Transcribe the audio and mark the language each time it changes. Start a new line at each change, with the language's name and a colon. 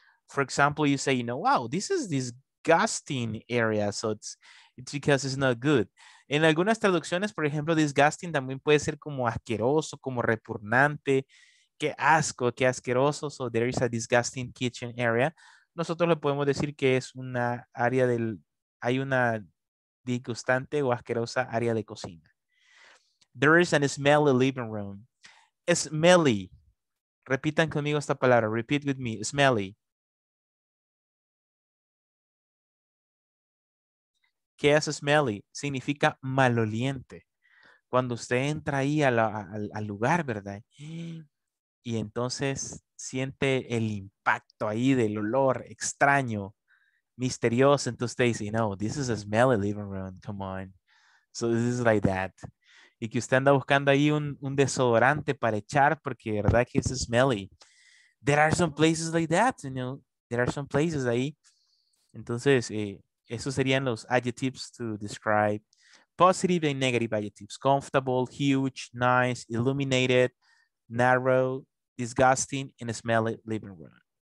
English: For example, you say, you know, wow, this is disgusting area, so it's because it's not good.
Spanish: En algunas traducciones, por ejemplo, disgusting también puede ser como asqueroso, como repugnante, qué asco, qué asqueroso.
English: So there is a disgusting kitchen area.
Spanish: Nosotros le podemos decir que es una área del, hay una disgustante o asquerosa área de cocina.
English: There is a smelly living room. Smelly.
Spanish: Repitan conmigo esta palabra.
English: Repeat with me.
Spanish: Smelly. ¿Qué es smelly? Significa maloliente. Cuando usted entra ahí al lugar, ¿verdad? Y entonces siente el impacto ahí del olor extraño, misterioso. Entonces usted dice, no,
English: this is a smelly living room. Come on. So this is like that.
Spanish: Y que usted anda buscando ahí un desodorante para echar porque de verdad que es smelly.
English: There are some places like that, you know. There are some places ahí.
Spanish: Entonces, esos serían los
English: adjectives to describe. Positive and negative adjectives. Comfortable, huge, nice, illuminated, narrow, disgusting, and smelly living room.